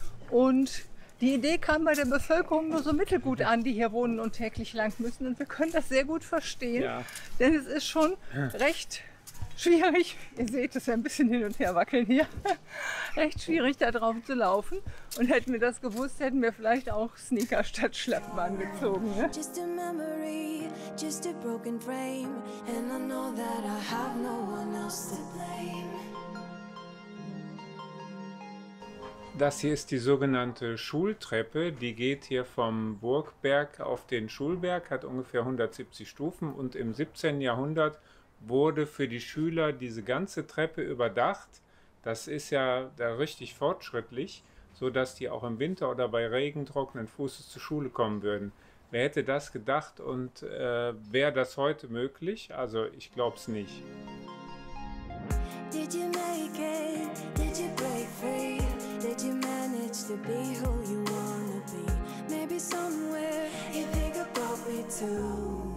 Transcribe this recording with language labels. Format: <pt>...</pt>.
<de>Und die Idee kam bei der Bevölkerung nur so mittelgut an, die hier wohnen und täglich lang müssen. Und wir können das sehr gut verstehen, ja. Denn es ist schon recht schwierig, ihr seht es ja ein bisschen hin und her wackeln hier, recht schwierig da drauf zu laufen. Und hätten wir das gewusst, hätten wir vielleicht auch Sneaker statt Schlappen angezogen. Ne?</de> <en>Just a memory, just a broken frame, and I know that I have no one else to blame.</en> <de>Das hier ist die sogenannte Schultreppe, die geht hier vom Burgberg auf den Schulberg, hat ungefähr 170 Stufen und im 17. Jahrhundert wurde für die Schüler diese ganze Treppe überdacht. Das ist ja da richtig fortschrittlich, sodass die auch im Winter oder bei Regen trockenen Fußes zur Schule kommen würden. Wer hätte das gedacht und wäre das heute möglich? Also ich glaube es nicht.</de> <en>Did you make it? Did you break free? Did you manage to be who you wanna be? Maybe somewhere you think about me too.</en>